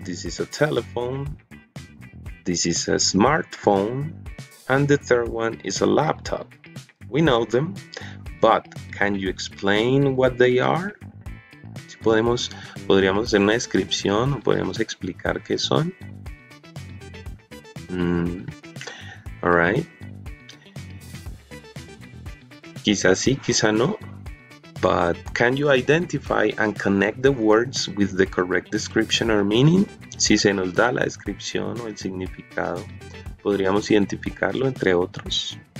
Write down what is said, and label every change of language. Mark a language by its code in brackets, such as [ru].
[en] This is a telephone, this is a smartphone, and the third one is a laptop. We know them, but can you explain what they are? [es] Si podemos, podríamos hacer una descripción o podríamos explicar qué son. [en] All right. [es] Quizás sí, quizá no. [en] But can you identify and connect the words with the correct description or meaning? [es] Si se nos da la descripción o el significado, podríamos identificarlo entre otros.